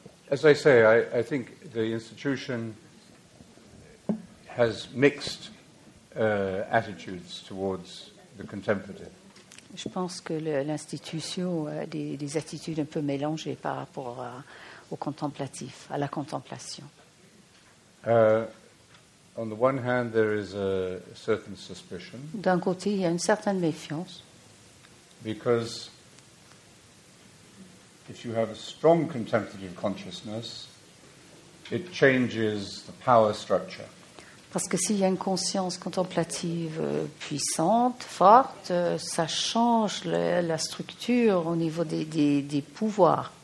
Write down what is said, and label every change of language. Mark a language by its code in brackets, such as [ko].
[en] As I say, I think the institution has mixed attitudes towards the contemplative. [fr] Je pense que l'institution a des attitudes un peu mélangées par rapport au contemplatif, à la contemplation. [en] On the one hand, there is a certain suspicion. [fr] D'un côté, il y a une certaine méfiance. [en] Because if you have a strong contemplative consciousness, it changes the power structure. [fr] Parce que s'il y a une conscience contemplative puissante, forte, ça change la structure au niveau des pouvoirs.